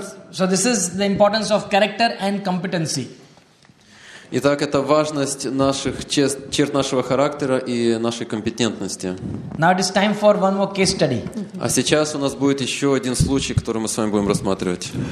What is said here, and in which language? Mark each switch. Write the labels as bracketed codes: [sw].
[en] So this is the importance of character and competency. [ru] Итак, это важность наших черт нашего характера и нашей компетентности. [en] Now it is time for one more case study. [ru] А сейчас у нас будет еще один случай, который мы с вами будем рассматривать.